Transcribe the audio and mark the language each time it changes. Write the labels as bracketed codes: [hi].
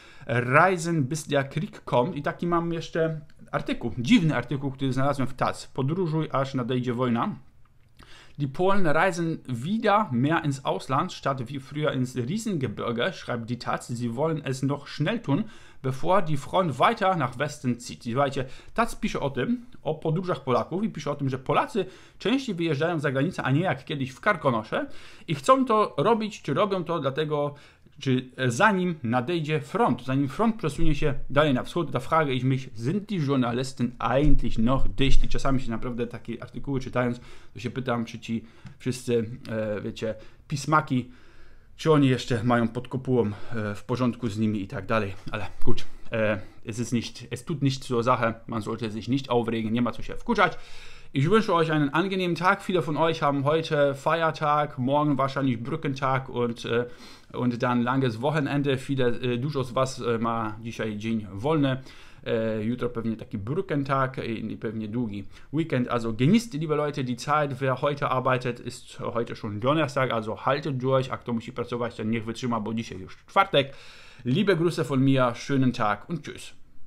[de] Reisen bis der Krieg kommt. [pl] I taki mam jeszcze artykuł, dziwny artykuł, który znalazłem w Taz. Podróżuj, aż nadejdzie wojna. [de] Die Polen reisen wieder mehr ins Ausland, statt wie früher ins Riesengebirge, schreibt die Taz. Sie wollen es noch schnell tun, bevor die Front weiter nach Westen zieht. [pl] Słuchajcie, Taz pisze o tym, o podróżach Polaków i pisze o tym, że Polacy częściej wyjeżdżają za granicę, a nie jak kiedyś w Karkonosze i chcą to robić, czy robią to dlatego, czy zanim nadejdzie front, zanim front przesunie się dalej na wschód. [de] Da frage ich mich, sind die Journalisten eigentlich noch dicht? [pl] I czasami się naprawdę takie artykuły czytając, to się pytam, czy ci wszyscy, wiecie, pismaki, czy oni jeszcze mają pod kopułą w porządku z nimi i tak dalej. [de] Ale gut, es tut nicht zur Sache, man sollte sich nicht aufregen, [pl] nie ma co się wkurzać. [de] Ich wünsche euch einen angenehmen Tag. Viele von euch haben heute Feiertag, morgen wahrscheinlich Brückentag und dann langes Wochenende. [pl] Dużo z was ma dzisiaj dzień wolny. Jutro pewnie taki Brückentag und pewnie długi Weekend. [de] Also genießt, liebe Leute, die Zeit. Wer heute arbeitet, ist heute schon Donnerstag. Also haltet durch. [pl] A kto musi pracować, ten niech wytrzyma, bo dzisiaj już czwartek. [de] Liebe Grüße von mir. Schönen Tag und tschüss.